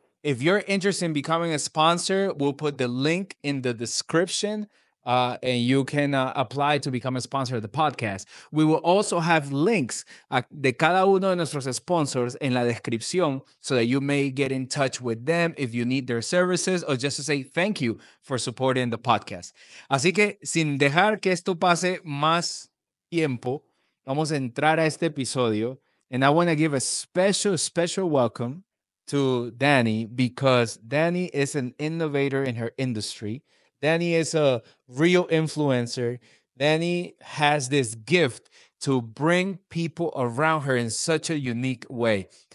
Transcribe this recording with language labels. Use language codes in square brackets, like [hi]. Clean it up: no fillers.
[en] If you're interested in becoming a sponsor, we'll put the link in the description and you can apply to become a sponsor of the podcast. We will also have links [es] de cada uno de nuestros sponsors en la descripción [en] so that you may get in touch with them if you need their services or just to say thank you for supporting the podcast. [es] Así que sin dejar que esto pase más tiempo, vamos a entrar a este episodio. [en] And I want to give a special, special welcome to Dani because Dani is an innovator in her industry. Dani is a real influencer. Dani has this gift to bring people around her in such a unique way.